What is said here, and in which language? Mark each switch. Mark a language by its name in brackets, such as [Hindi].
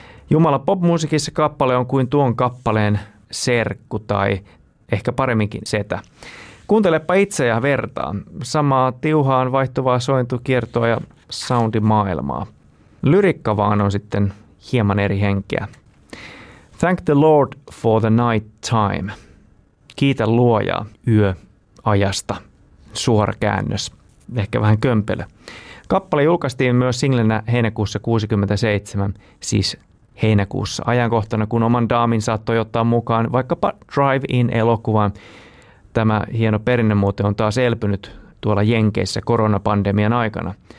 [Finnish] Jumala popmusiikissa kappale on kuin tuon kappaleen serkku tai ehkä paremminkin setä. Kuuntelepa itse ja vertaa. Samaa tiuhaan vaihtuvaa sointukiertoa ja soundimaailmaa. Lyrikka vaan on sitten hieman eri henkeä. [English] Thank the Lord for the night time. [Finnish] Kiitä luojaa yöajasta. Suora käännös. Ehkä vähän kömpelö. Kappale julkaistiin myös singlenä heinäkuussa 1967, siis heinäkuussa, ajankohtana kun oman daamin saattoi ottaa mukaan vaikkapa Drive-In-elokuvan. Tämä hieno perinne muuten on taas elpynyt tuolla Jenkeissä koronapandemian aikana.